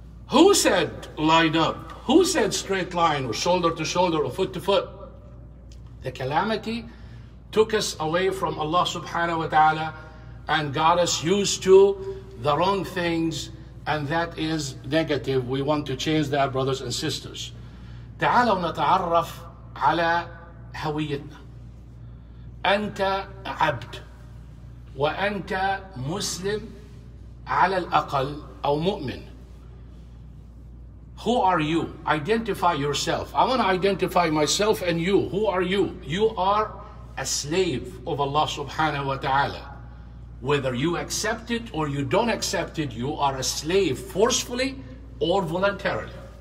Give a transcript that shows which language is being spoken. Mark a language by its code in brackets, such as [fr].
[en] Who said line up? Who said straight line or shoulder to shoulder or foot to foot? The calamity took us away from Allah subhanahu wa ta'ala and got us used to the wrong things, and that is negative. We want to change that, brothers and sisters. [ar] تعالوا نتعرف على هويتنا. أنت عبد وأنت مسلم على الأقل أو مؤمن. [en] Who are you? Identify yourself. I want to identify myself and you. Who are you? You are a slave of Allah subhanahu wa ta'ala. Whether you accept it or you don't accept it, you are a slave forcefully or voluntarily.